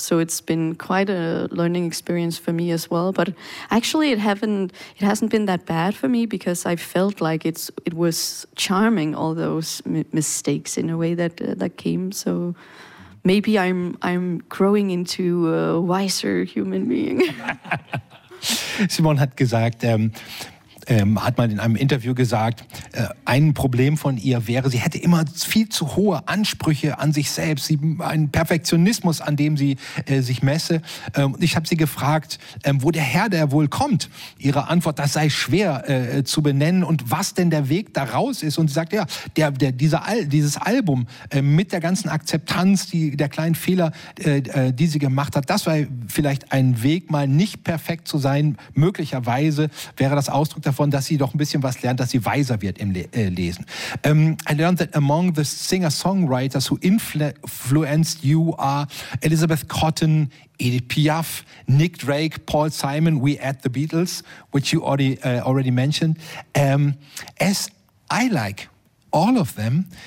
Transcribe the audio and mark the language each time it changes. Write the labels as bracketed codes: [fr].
[en] So it's been quite a learning experience for me as well. But actually, it hasn't been that bad for me because I felt like it was charming, all those mistakes in a way that that came. So maybe I'm growing into a wiser human being. [de] Simon hat gesagt, hat mal in einem Interview gesagt, ein Problem von ihr wäre, sie hätte immer viel zu hohe Ansprüche an sich selbst, einen Perfektionismus, an dem sie sich messe. Und ich habe sie gefragt, wo der Herr der wohl kommt. Ihre Antwort, das sei schwer zu benennen und was denn der Weg daraus ist. Und sie sagt, ja, dieses Album mit der ganzen Akzeptanz, der kleinen Fehler, die sie gemacht hat, das war vielleicht ein Weg, mal nicht perfekt zu sein. Möglicherweise wäre das Ausdruck davon, dass sie doch ein bisschen was lernt, dass sie weiser wird im Lesen. [en] I learned that among the singer-songwriters who influenced you are Elizabeth Cotton, Edith Piaf, Nick Drake, Paul Simon, we add the Beatles, which you already mentioned. As I like all of them,